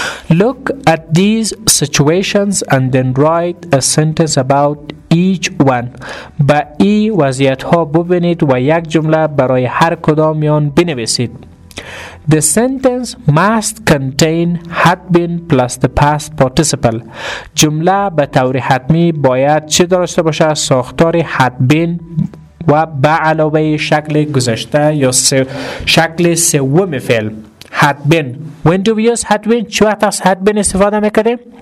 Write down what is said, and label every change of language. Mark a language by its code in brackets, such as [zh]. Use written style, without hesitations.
[en] Look at these situations and then write a sentence about each one. [fa] به این وضعیت ها ببینید و یک جمله برای هر کدام آن بنویسید. [en] The sentence must contain had been plus the past participle. [fa] جمله به طور حتمی باید چه داشته باشه؟ ساختار had been و به علاوه شکل گذشته یا شکل سوم فعل. [en] Had been. When do we use had been? [fa] چه وقت از had been استفاده میکنیم؟